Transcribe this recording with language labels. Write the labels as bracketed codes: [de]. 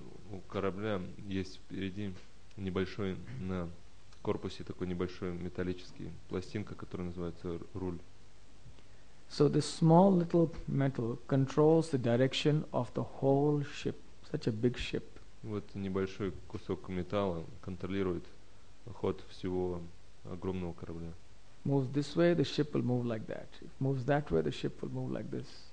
[ru] У корабля есть впереди небольшой на корпусе такой небольшой металлический пластинка, которая называется руль. [en] So this small little metal controls the direction of the whole ship, such a big ship. [ru] Вот небольшой кусок металла контролирует ход всего огромного корабля. [en] Moves this way, the ship will move like that. It moves that way, the ship will move like this.